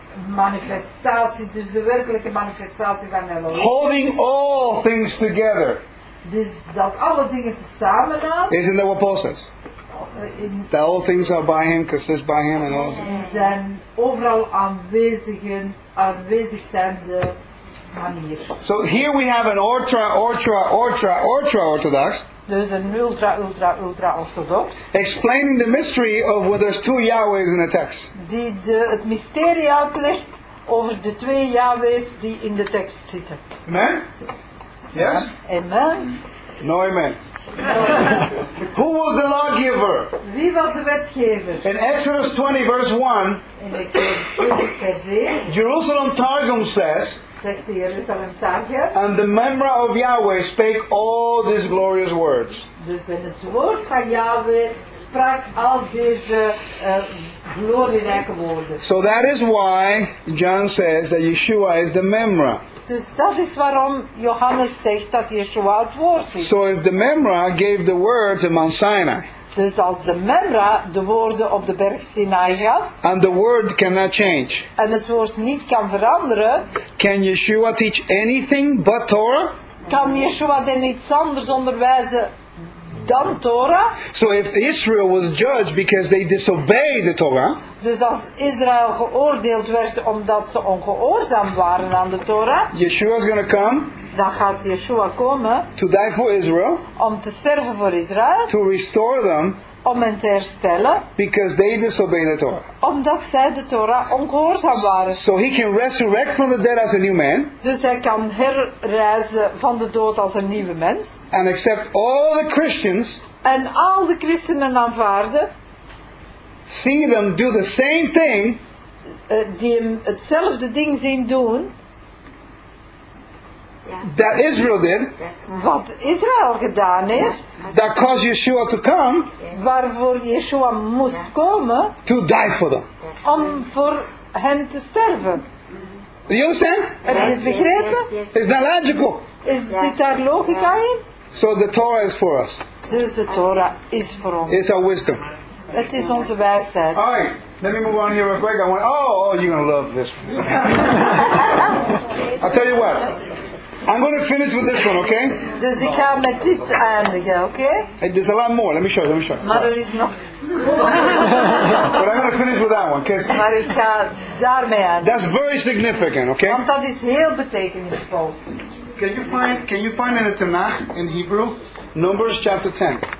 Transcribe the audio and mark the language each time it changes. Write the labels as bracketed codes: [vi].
[nl] Manifestatie, dus de werkelijke manifestatie van Elohim. [en] Holding all things together. [nl] Dus dat alle dingen tezamen houdt. [en] Isn't that what Paul says? That all things are by him, consist by him, and all. [nl] Zijn overal aanwezig zijn de manier. [en] So here we have an ultra orthodox. [nl] Dus een ultra orthodox. [en] Explaining the mystery of where there's two Yahwehs in the text. [nl] Die het mysterie uitlegt over de twee Yahwehs die in de tekst zitten. [en] Amen. Yes. Amen. No amen. Who was the lawgiver? [nl] Wie was de wetgever? [en] In Exodus 20 verse 1, [nl] in Exodus 20 verse 1, [en] Jerusalem Targum says, [nl] zegt de Jerusalem Targum, [en] and the memra of Yahweh spake all these glorious words. [nl] Dus in het woord van Yahweh sprak al deze glorierijke woorden. [en] So that is why John says that Yeshua is the memra. [nl] Dus dat is waarom Johannes zegt dat Yeshua het woord is. [en] So if the memra gave the word to Mount Sinai. [nl] Dus als de memra de woorden op de berg Sinai gaf. [en] And the word cannot change. [nl] En het woord niet kan veranderen. [en] Can Yeshua teach anything but Torah? [nl] Kan Yeshua dan iets anders onderwijzen dan Torah? [en] So if Israel was judged because they disobeyed the Torah. [nl] Dus als Israël geoordeeld werd omdat ze ongehoorzaam waren aan de Torah. [en] Yeshua is going to come. [nl] Dan gaat Yeshua komen. [en] To die for Israel. [nl] Om te sterven voor Israël. [en] To restore them. [nl] Om hen te herstellen. [en] Because they disobeyed the Torah. [nl] Omdat zij de Torah ongehoorzaam waren. [en] So he can resurrect from the dead as a new man. [nl] Dus hij kan herreizen van de dood als een nieuwe mens. [en] And accept all the Christians. [nl] En al de christenen aanvaarden. [en] See them do the same thing. [nl] Die hem hetzelfde ding zien doen. [en] that Israel did. [nl] Wat Israël gedaan heeft. [en] That caused Yeshua to come. [nl] Waarvoor Yeshua moest komen. [en] To die for them. [nl] Om voor hen te sterven. [en] Do you understand? [nl] Heb je het begrepen? [en] Is that logical? [nl] Is zit daar logica in? [en] So the Torah is for us. [nl] Dus de Torah is voor ons. [en] It's our wisdom. [nl] Dat is onze wijsheid. [en] All right. Let me move on here real quick. I want, you're going to love this. I'll tell you what. I'm going to finish with this one, okay? [nl] Dus ik ga met dit eindigen, okay? [en] There's a lot more. Let me show. [nl] Maar er is nog. [en] But I'm going to finish with that one, okay? [nl] Maar ik ga daarmee aan. [en] That's very significant, okay? [nl] Want dat is heel betekenisvol. [en] Can you find in the Tanakh, in Hebrew, Numbers chapter 10?